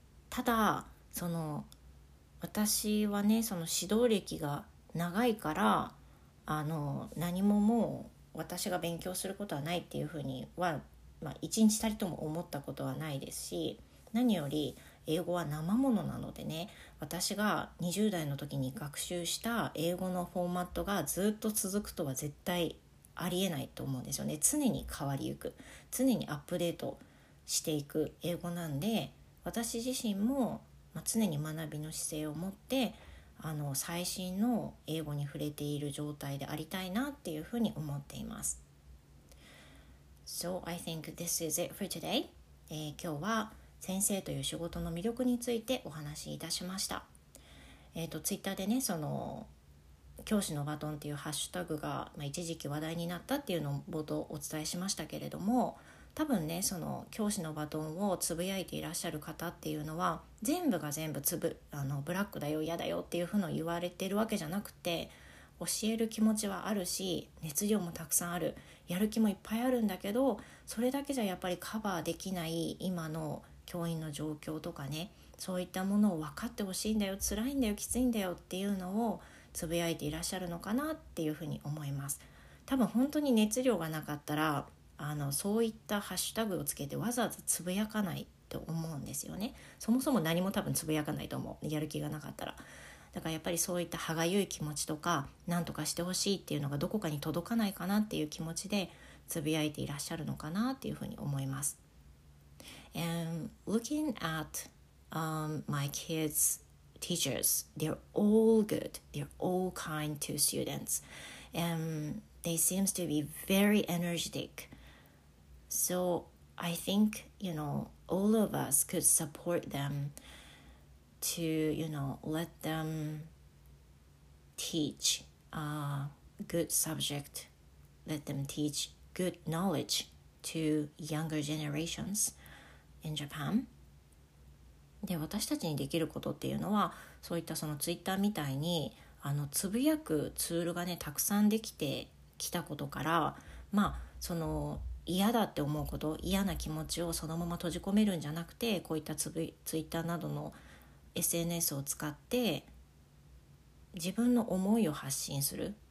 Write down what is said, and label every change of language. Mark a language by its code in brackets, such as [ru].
[ja] ただその私はね、その指導歴が長いから、何ももう私が勉強することはないっていうふうには、まあ、一日たりとも思ったことはないですし、何より英語は生ものなのでね、私が20代の時に学習した英語のフォーマットがずっと続くとは絶対ありえないと思うんですよね。常に変わりゆく、常にアップデートしていく英語なんで、私自身も常に学びの姿勢を持って、最新の英語に触れている状態でありたいなっていうふうに思っています。 [en] So I think this is it for today. [ja] 今日は先生という仕事の魅力についてお話しいたしました。 Twitter でね、その教師のバトンっていうハッシュタグが、まあ、一時期話題になったっていうのを冒頭お伝えしましたけれども、多分ね、その教師のバトンをつぶやいていらっしゃる方っていうのは、全部が全部ブラックだよ、嫌だよっていうふうに言われてるわけじゃなくて、教える気持ちはあるし、熱量もたくさんある、やる気もいっぱいあるんだけど、それだけじゃやっぱりカバーできない今の教員の状況とかね、そういったものを分かってほしいんだよ、辛いんだよ、きついんだよっていうのをつぶやいていらっしゃるのかなっていうふうに思います。多分本当に熱量がなかったら、そういったハッシュタグをつけてわざわざつぶやかないと思うんですよね。そもそも何も多分つぶやかないと思う、やる気がなかったら。だからやっぱりそういった歯がゆい気持ちとか、なんとかしてほしいっていうのがどこかに届かないかなっていう気持ちでつぶやいていらっしゃるのかなっていうふうに思います。 [en] And looking at、my kids' teachers, they're all good, they're all kind to students, and they seems to be very energetic. So I think, you know, all of us could support them to, you know, let them teach a good subject, let them teach good knowledge to younger generations in Japan. [ja] で、私たちにできることっていうのは、そういったそのツイッターみたいにつぶやくツールがね、たくさんできてきたことから、まあその嫌だって思うこと、嫌な気持ちをそのまま閉じ込めるんじゃなくて、こういったツイッターなどの SNS を使って自分の思いを発信する。